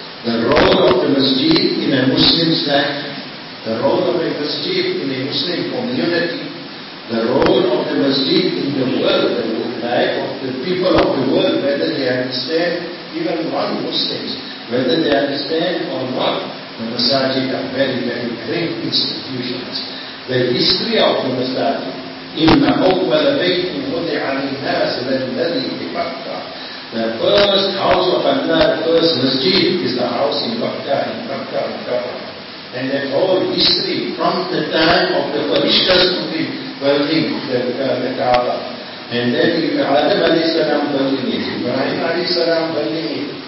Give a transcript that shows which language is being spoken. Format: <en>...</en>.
<en>The role of the masjid in a Muslim's life. The role of a masjid in a Muslim community, the role of the Muslim in the world, the life of the people of the world, whether they understand, even one Muslims, whether they understand or not, the masajid are very, very great institutions. The history of the masajid,</en> <ar>إِنَّ أَوَّلَ بَيْتٍ وُضِعَ لِلنَّاسِ لَلَّذِي بِبَكَّةَ.</ar> <en>The first house of Allah, the first masjid, is the house in Makkah, in Makkah, in Kaaba. And that whole history, from the time of the Farishtas to be building the Kaaba. And then Adam alayhi salam building it, Ibrahim alayhi salam building it.</en>